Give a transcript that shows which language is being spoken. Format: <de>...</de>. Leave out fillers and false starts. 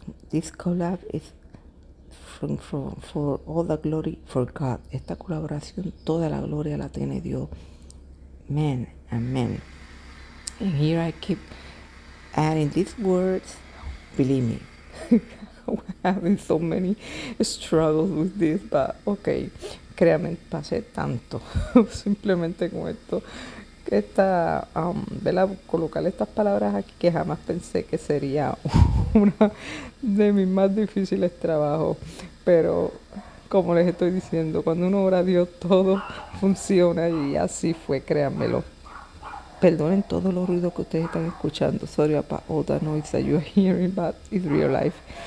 <en>This collab is for all the glory for God.</en> <es>Esta colaboración, toda la gloria la tiene Dios. Amen, amen.</es> <en>And here I keep adding these words. Believe me. having so many struggles with this, but okay,</en> <es>créame, pasé tanto simplemente con esto, esta, ¿verdad? Colocar estas palabras aquí que jamás pensé que sería una de mis más difíciles trabajos, pero como les estoy diciendo, cuando uno ora a Dios todo funciona y así fue, créanmelo. Perdonen todos los ruidos que ustedes están escuchando.</es> <en>Sorry about all the noise that you are hearing, but it's real life.</en>